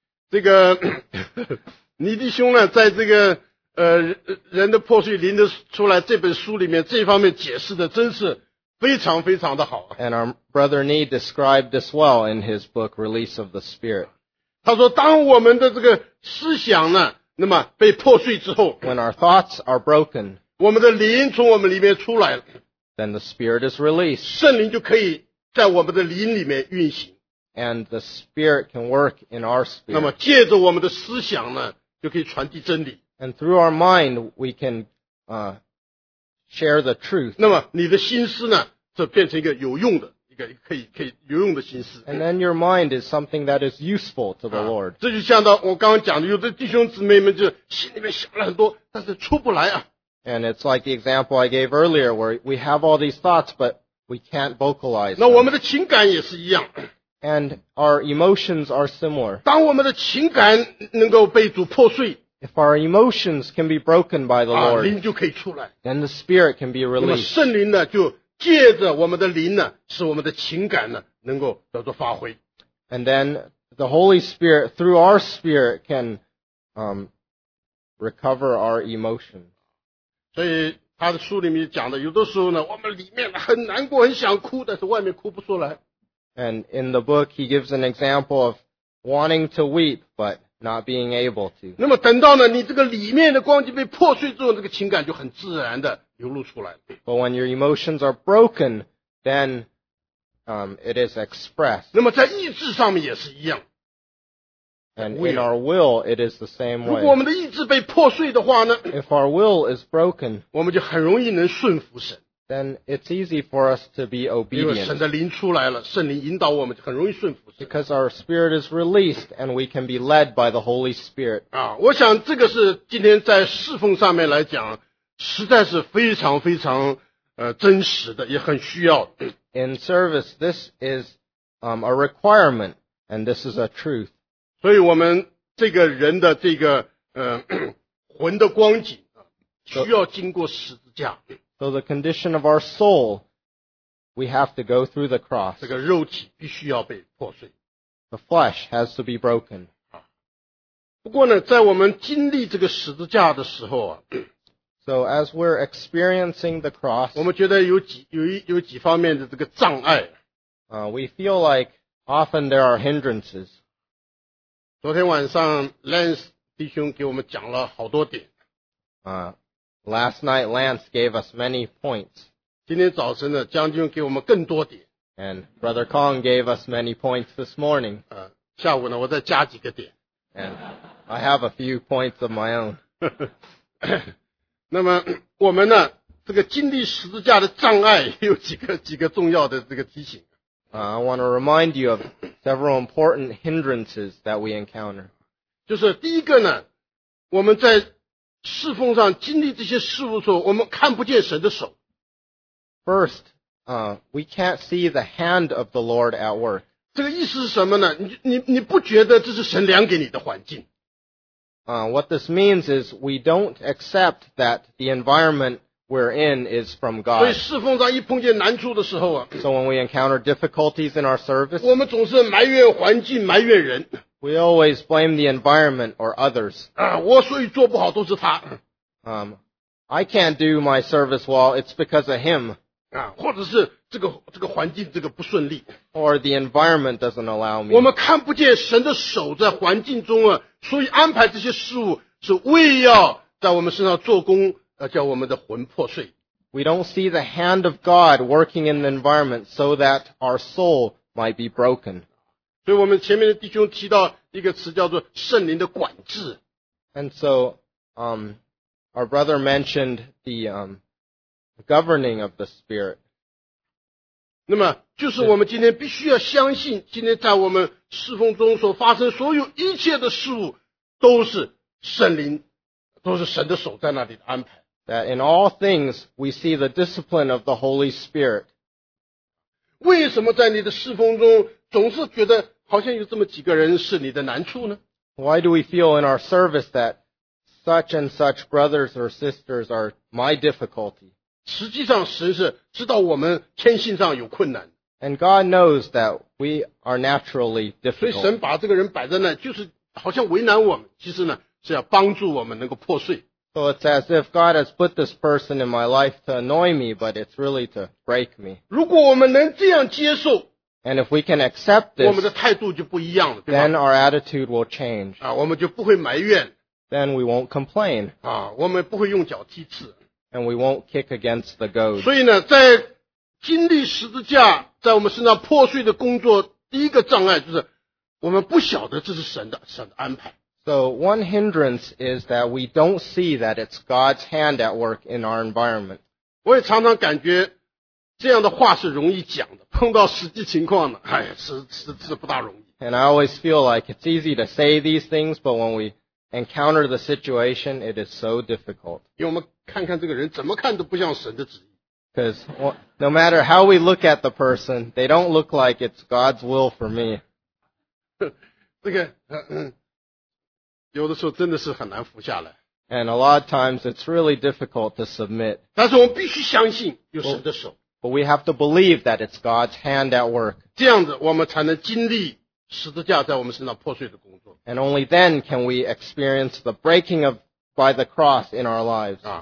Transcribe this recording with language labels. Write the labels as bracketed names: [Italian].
[Chinese] 这个尼弟兄呢，在这个人的破碎灵的出来这本书里面，这方面解释的真是非常非常的好。 [English] And our brother Nee described this well in his book Release of the Spirit. [Chinese] 他说，当我们的这个思想呢，那么被破碎之后 [English] ，When our thoughts are broken， [Chinese] 我们的灵从我们里面出来了 [English] ，Then the spirit is released， [Chinese] 圣灵就可以在我们的灵里面运行 [English] ，And the spirit can work in our spirit。 [Chinese] 那么借着我们的思想呢，就可以传递真理 [English] ，And through our mind we can share the truth。 [Chinese] 那么你的心思呢，就变成一个有用的。可以有用的心思。 [English] And then your mind is something that is useful to the Lord. [Chinese] 这就像到我刚刚讲的，有的弟兄姊妹们就心里面想了很多，但是出不来啊。 [English] And it's like the example I gave earlier, where we have all these thoughts, but we can't vocalize. [Chinese] 那我们的情感也是一样。 [English] And our emotions are similar. [Chinese] 当我们的情感能够被主破碎。 [English] If our emotions can be broken by the Lord, [Chinese] 灵就可以出来。 [English] Then the spirit can be released. [Chinese] 那么圣灵呢就借着我们的灵呢，使我们的情感呢能够得到发挥。 [English] And then the Holy Spirit through our spirit can recover our emotion. [Chinese] 所以他的书里面讲的，有的时候呢，我们里面很难过，很想哭，但是外面哭不出来。 [English] And in the book, he gives an example of wanting to weep but not being able to. [Chinese] 那么等到呢，你这个里面的光景被破碎之后，这个情感就很自然的。 [English] But when your emotions are broken, then it is expressed. [Chinese] 那么在意志上面也是一样。 [English] And in our will, it is the same way. [Chinese] 如果我们的意志被破碎的话呢 [English] ？If our will is broken, [Chinese] 我们就很容易能顺服神。 [English] Then it's easy for us to be obedient. [Chinese] 因为神的灵出来了，圣灵引导我们，就很容易顺服神。 [English] Because our spirit is released, and we can be led by the Holy Spirit. [Chinese] 啊，我想这个是今天在侍奉上面来讲。实在是非常非常真实的，也很需要。 [English] In service, this is a requirement, and this is a truth. [Chinese] 所以我们这个人的这个魂的光景需要经过十字架。 [English] So the condition of our soul, we have to go through the cross. [Chinese] 这个肉体必须要被破碎。 [English] The flesh has to be broken. [Chinese] 不过呢，在我们经历这个十字架的时候啊。 [English] So as we're experiencing the cross, [Chinese] 我们觉得有几方面的这个障碍。 [English] We feel like often there are hindrances. [Chinese] 昨天晚上 Lance 弟兄给我们讲了好多点。 [English] Last night Lance gave us many points. [Chinese] 今天早晨呢，江军给我们更多点。 [English] And Brother Kong gave us many points this morning. [Chinese] 下午呢，我再加几个点。 [English] And I have a few points of my own. [Chinese] 那么我们呢，这个经历十字架的障碍有几个重要的这个提醒。 [English] I want to remind you of several important hindrances that we encounter. [Chinese] 就是第一个呢，我们在侍奉上经历这些事物的时候，我们看不见神的手。 [English] First, we can't see the hand of the Lord at work. [Chinese] 这个意思是什么呢？你不觉得这是神量给你的环境？ [English] What this means is we don't accept that the environment we're in is from God. [Chinese] 所以侍奉上一碰见难处的时候啊 [English] ，So when we encounter difficulties in our service, [Chinese] 我们总是埋怨环境，埋怨人。 [English] We always blame the environment or others. [Chinese] 我所以做不好都是他。 [English] I can't do my service well, it's because of him. [Chinese] 或者是这个环境这个不顺利。 [English] Or the environment doesn't allow me. [Chinese] 我们看不见神的手在环境中啊，所以安排这些事物是为要在我们身上做工，叫我们的魂魄碎。 [English] We don't see the hand of God working in the environment so that our soul might be broken. [Chinese] 所以我们前面的弟兄提到一个词叫做圣灵的管制。 [English] And so, our brother mentioned the, governing of the Spirit. [Chinese] 那么就是我们今天必须要相信今天在我们侍奉中所发生所有一切的事物都是圣灵都是神的手在那里的安排。 [English] That in all things, we see the discipline of the Holy Spirit. [Chinese] 为什么在你的侍奉中总是觉得好像有这么几个人是你的难处呢? [English] Why do we feel in our service that such and such brothers or sisters are my difficulty? [Chinese] 实际上神是知道我们天性上有困难。 [English] And God knows that we are naturally difficult. [Chinese] 所以神把这个人摆在那就是好像为难我们其实呢是要帮助我们能够破碎。 [English] So it's as if God has put this person in my life to annoy me, but it's really to break me. [Chinese] 如果我们能这样接受, [English] and if we can accept this, [Chinese] 我们的态度就不一样了, [English] then our attitude will change. [Chinese] 我们就不会埋怨, [English] then we won't complain. [Chinese] 我们不会用脚踢刺, [English] and we won't kick against the goad. [Chinese] 所以呢,在经历十字架,在我们身上破碎的工作,第一个障碍就是我们不晓得这是神的安排。 [English] So one hindrance is that we don't see that it's God's hand at work in our environment. [Chinese] 我也常常感觉这样的话是容易讲的，碰到实际情况呢，哎，是不大容易。 [English] And I always feel like it's easy to say these things, but when we encounter the situation, it is so difficult. [Chinese] 因为我们看看这个人，怎么看都不像神的旨意。 [English] Because no matter how we look at the person, they don't look like it's God's will for me. [Chinese] 这个。有的时候真的是很难服下来。 [English] And a lot of times it's really difficult to submit. [Chinese] 但是我们必须相信有神的手。 [English] But we have to believe that it's God's hand at work. [Chinese] 这样子我们才能经历十字架在我们身上破碎的工作。 [English] And only then can we experience the breaking of by the cross in our lives.